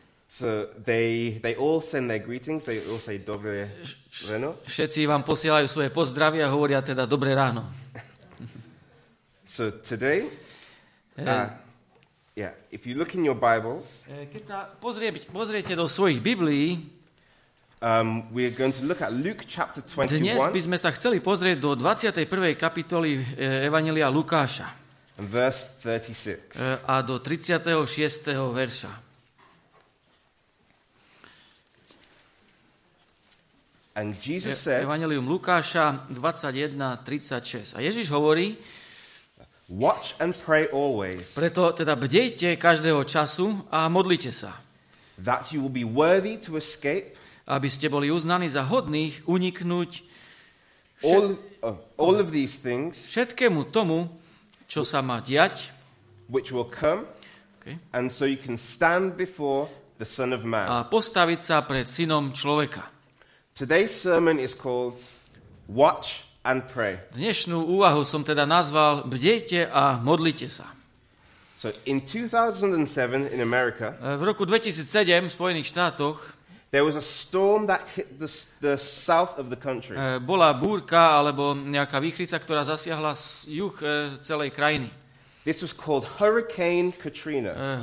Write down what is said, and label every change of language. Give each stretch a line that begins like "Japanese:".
English: So they all send their greetings. They all say
Slovak: dobré ráno. Všetci vám posielajú svoje pozdravy a hovoria teda dobré ráno.
English: So today, if you look in your Bibles,
Slovak: keď sa pozriete do svojich Biblií,
English: we are going to look at Luke chapter 21.
Slovak: Dnes by sme sa chceli pozrieť do 21. kapitoly Evanjelia Lukáša.
English: Verse 36.
Slovak: A do 36. verša.
English: And Jesus said,
Slovak: Evanjelium Lukáša 21:36. A Ježiš hovorí:
English: Watch and pray always.
Slovak: Preto teda bdejte každého času a modlite sa.
English: That you will be worthy to escape.
Slovak: Aby ste boli uznaní za hodných uniknúť
English: all of these things.
Slovak: Všetkému tomu, čo sa má diať.
English: Which will come. Okay. And so you can stand before the Son of Man.
Slovak: A postaviť sa pred Synom človeka.
English: Today's sermon is called Watch and Pray.
Slovak: Dnešnú úvahu som teda nazval Bdejte a modlite sa.
English: So in 2007 in America,
Slovak: v roku 2007 v Spojených štátoch,
English: there was a storm that hit the south of the country.
Slovak: Bola búrka alebo nejaká výchrica, ktorá zasiahla juh celej krajiny.
English: This was called Hurricane Katrina.